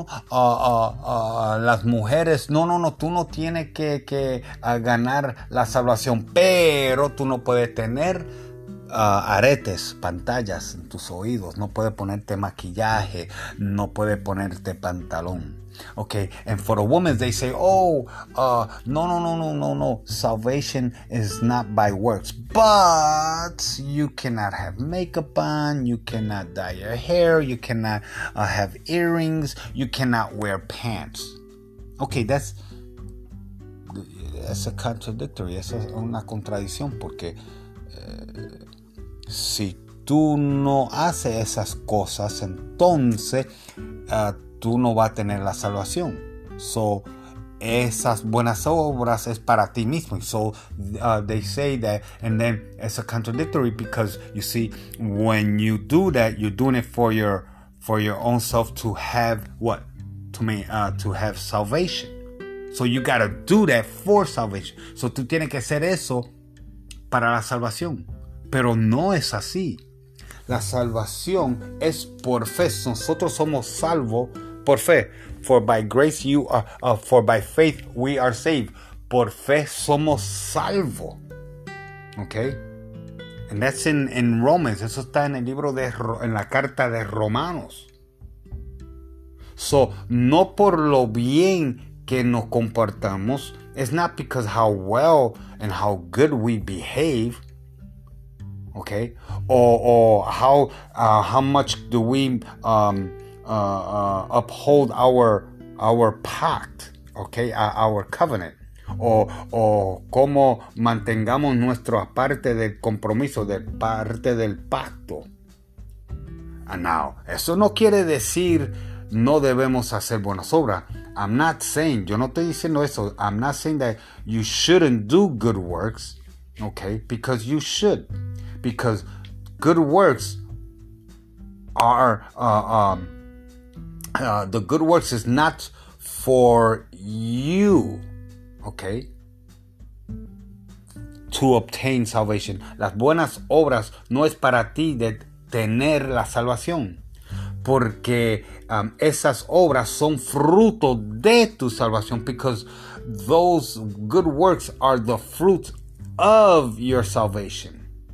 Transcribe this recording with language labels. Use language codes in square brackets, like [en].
[es] Las mujeres, tú no tienes que ganar la salvación, pero tú no puedes tener aretes, pantallas en tus oídos, no puedes ponerte maquillaje, no puedes ponerte pantalón. [en] Ok, and for the women, they say, salvation is not by works, but you cannot have makeup on, you cannot dye your hair, you cannot have earrings, you cannot wear pants. [es] Ok, [en] that's a contradictory, [es] esa es una contradicción, porque si tú no haces esas cosas, entonces tú no vas a tener la salvación. So, esas buenas obras es para ti mismo. [en] So, they say that, and then it's a contradictory because, you see, when you do that, you're doing it for your own self to have what? To have salvation. So, you gotta do that for salvation. [es] So, tú tienes que hacer eso para la salvación. Pero no es así. La salvación es por fe. Nosotros somos salvos por fe. [en] For by grace you are, for by faith we are saved. [es] Por fe somos salvos. Okay? [en] And that's in Romans. [es] Eso está en el libro de, en la carta de Romanos. So, no por lo bien que nos comportamos. [en] It's not because how well and how good we behave. [es] Okay, [en] how much do we uphold our pact, okay, our covenant, [es] o cómo mantengamos nuestro parte del compromiso, de parte del pacto. [en] And now, [es] eso no quiere decir no debemos hacer buenas obras. [en] I'm not saying, [es] yo no estoy diciendo eso. [en] I'm not saying that you shouldn't do good works, okay, because you should. Because good works are the good works is not for you, okay, to obtain salvation. [es] Las buenas obras no es para ti de tener la salvación, porque esas obras son fruto de tu salvación. [en] Because those good works are the fruit of your salvation.